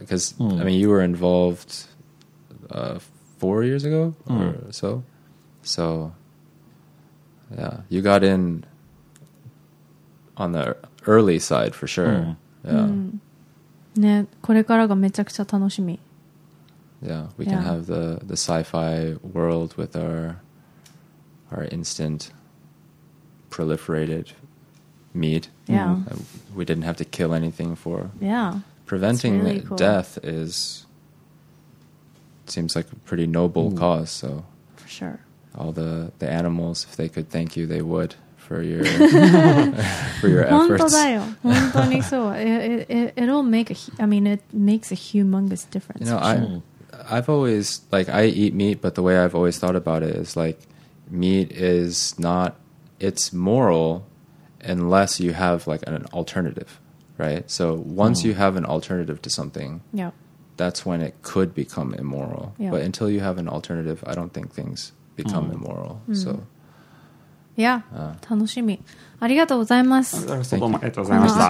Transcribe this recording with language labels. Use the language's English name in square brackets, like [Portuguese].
[English] Because、mm. I mean, you were involved、4 years ago or、mm. so. So, yeah, you got in on the early side for sure.、Mm. Yeah. Mm. [Japanese] ね、これからがめちゃくちゃ楽しみ。 [English] Yeah, we can、yeah. have the sci-fi world with our instant proliferated meat. Yeah. We didn't have to kill anything for. Yeah. Preventing really、cool. death is. Seems like a pretty noble、mm. cause, so. For sure. All the animals, if they could thank you, they would for your, for your efforts. [Japanese] 本当だよ。本当にそう。 [English] It'll make a, I mean, it makes a humongous difference. You know, I've always, like, I eat meat, but the way I've always thought about it is like, meat is not. It's moral unless you have like an alternative, right? So once、mm. you have an alternative to something,、 yeah. that's when it could become immoral.、 Yeah. But until you have an alternative, I don't think things become、mm. immoral.、Mm. So, [Japanese] yeah, 楽しみ。ありがとうございます。どうもありがとうございました。